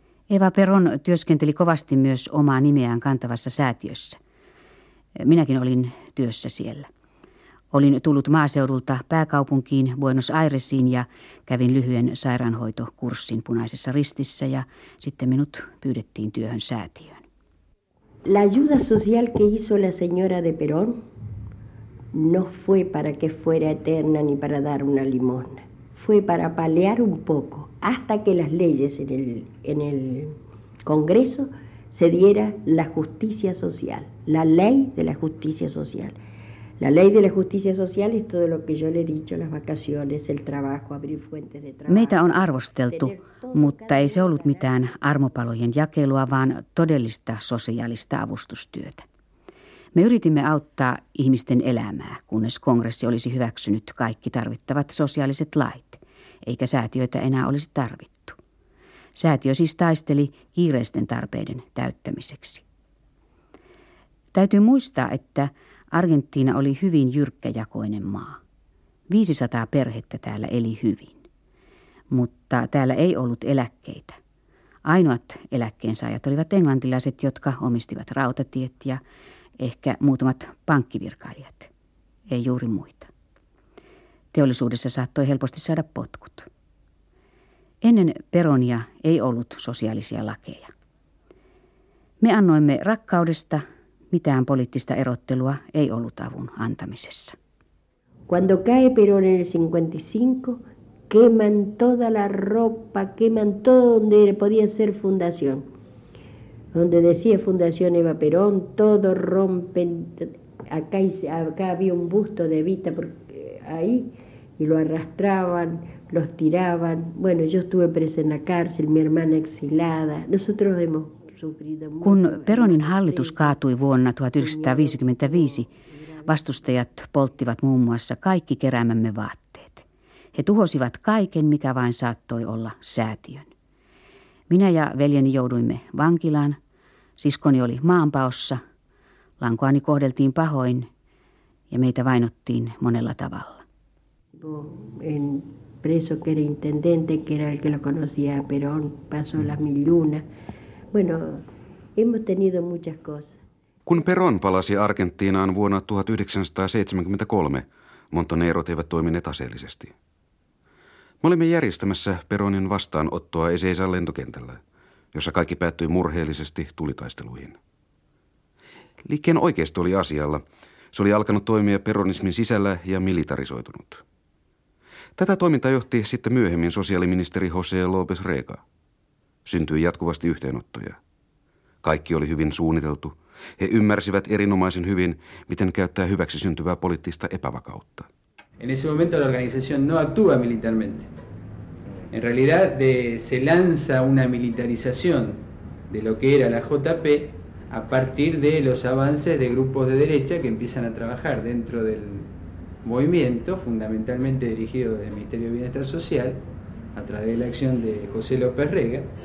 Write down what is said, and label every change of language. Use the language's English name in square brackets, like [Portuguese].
[Finnish] Eva Perón työskenteli kovasti myös omaa nimeään kantavassa säätiössä. Minäkin olin työssä siellä. Olin tullut maaseudulta pääkaupunkiin Buenos Airesiin ja kävin lyhyen sairaanhoitokurssin Punaisessa Ristissä ja sitten minut pyydettiin työhön säätiöön. [Spanish] La ayuda social que hizo la señora de Perón no fue para que fuera eterna ni para dar una limosna. Fue para paliar un poco hasta que las leyes en el Congreso se diera la justicia social, la ley de la justicia social. La ley de la justicia social es todo lo que yo le he dicho, las vacaciones, el trabajo, abrir fuentes de trabajo. [Finnish] Meitä on arvosteltu, mutta ei se ollut mitään armopalojen jakelua, vaan todellista sosiaalista avustustyötä. Me yritimme auttaa ihmisten elämää, kunnes kongressi olisi hyväksynyt kaikki tarvittavat sosiaaliset lait, eikä säätiöitä enää olisi tarvittu. Säätiö siis taisteli kiireisten tarpeiden täyttämiseksi. Täytyy muistaa, että Argentiina oli hyvin jyrkkäjakoinen maa. 500 perhettä täällä eli hyvin. Mutta täällä ei ollut eläkkeitä. Ainoat eläkkeensaajat olivat englantilaiset, jotka omistivat rautatiet ja ehkä muutamat pankkivirkailijat. Ei juuri muita. Teollisuudessa saattoi helposti saada potkut. Ennen Peronia ei ollut sosiaalisia lakeja. Me annoimme rakkaudesta. Mitään poliittista erottelua ei ollut avun antamisessa. [Spanish] Cuando cae Perón en el 55, queman toda la ropa, queman todo donde podía ser fundación. donde decía Fundación Eva Perón, todo rompe. Acá había un busto de Evita ahí y lo arrastraban, los tiraban. Bueno, yo estuve presa en la cárcel, mi hermana exilada. Nosotros hemos sufrido mucho. [Finnish] Kun Peronin hallitus kaatui vuonna 1955, vastustajat polttivat muun muassa kaikki keräämämme vaatteet. He tuhosivat kaiken, mikä vain saattoi olla säätiön. Minä ja veljeni jouduimme vankilaan, siskoni oli maanpaossa, lankoani kohdeltiin pahoin ja meitä vainottiin monella tavalla. [Spanish] En preso que era intendente, que era el que lo conocía a Perón, pasó la miluna. Bueno, hemos tenido muchas cosas. [Finnish] Kun Perón palasi Argentiinaan vuonna 1973, Montonerot eivät toimineet aseellisesti. Me olimme järjestämässä Peronin vastaanottoa Ezeizan lentokentällä, jossa kaikki päättyi murheellisesti tulitaisteluihin. Liikkeen oikeisto oli asialla. Se oli alkanut toimia peronismin sisällä ja militarisoitunut. Tätä toimintaa johti sitten myöhemmin sosiaaliministeri José López Rega. Syntyi jatkuvasti yhteenottoja. Kaikki oli hyvin suunniteltu. He ymmärsivät erinomaisen hyvin, miten käyttää hyväksi syntyvää poliittista epävakautta. [Spanish] En ese momento la organización no actúa militarmente. En realidad se lanza una militarización de lo que era la JP a partir de los avances de grupos de derecha que empiezan a trabajar dentro del movimiento, fundamentalmente dirigido desde el Ministerio de Bienestar Social, a través de la acción de José López Rega.